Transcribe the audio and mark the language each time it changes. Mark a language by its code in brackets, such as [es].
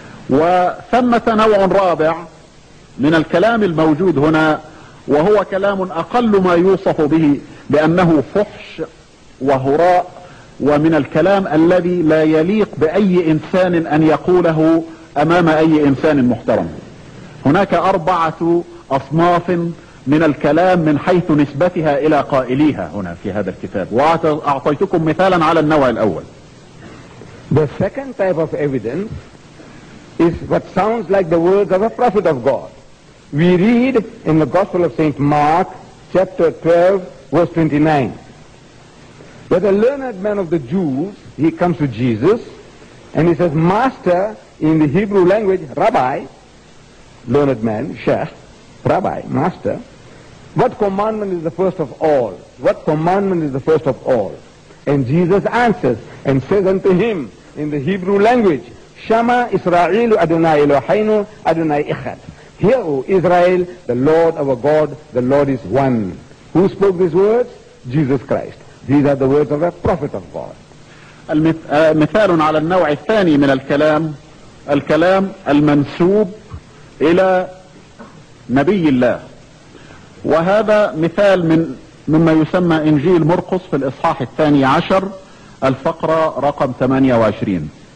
[ar] وثمة نوع رابع من الكلام الموجود هنا، وهو كلام أقل ما يوصف به بأنه فحش وهراء، ومن الكلام الذي لا يليق بأي إنسان أن يقوله أمام أي إنسان محترم. هناك أربعة أصناف من الكلام من حيث نسبتها إلى قائليها هنا في هذا الكتاب، وأعطيتكم مثالا على النوع الأول. [en] The second type of evidence is what sounds like the words of a prophet of God. We read in the Gospel of St. Mark, chapter 12, verse 29, that a learned man of the Jews, he comes to Jesus, and he says, Master, in the Hebrew language, Rabbi, learned man, Sheikh, Rabbi, Master, what commandment is the first of all? What commandment is the first of all? And Jesus answers and says unto him, in the Hebrew language, [he] Shama Israel Adonai Eloheinu Adonai Echad. [en] Hear, O Israel, the Lord our God, the Lord is one. Who spoke these words? Jesus Christ. These are the words of a prophet of God. [ar] مثال على النوع الثاني من الكلام، الكلام المنسوب إلى نبي الله. وهذا مثال مما يسمى إنجيل مرقس في الإصحاح 12، الفقرة رقم 28.